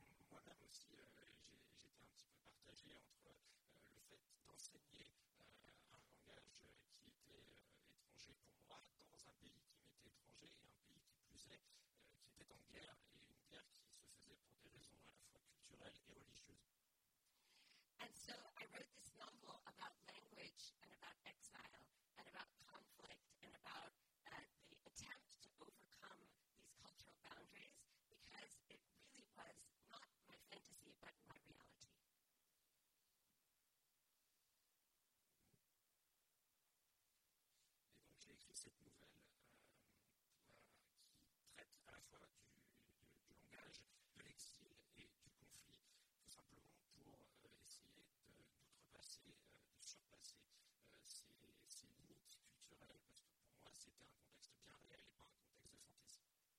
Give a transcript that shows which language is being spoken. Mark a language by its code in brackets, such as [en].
[fr] Moi-même aussi, j'étais un petit peu partagé entre le fait d'enseigner un langage qui était étranger pour moi dans un pays qui m'était étranger et un pays qui plus est, qui était en guerre, et une guerre qui se faisait pour des raisons à la fois culturelles et religieuses. [en] And so I wrote this novel about language and about exile and about conflict and about the attempt to overcome these cultural boundaries. Because it really was not my fantasy, but my reality. [fr] Et donc j'ai écrit cette nouvelle qui traite à la fois du langage, de l'exil et du conflit, tout simplement pour essayer d'outrepasser, de surpasser ces limites culturelles, parce que pour moi c'était un contexte bien réel et pas un contexte de fantaisie.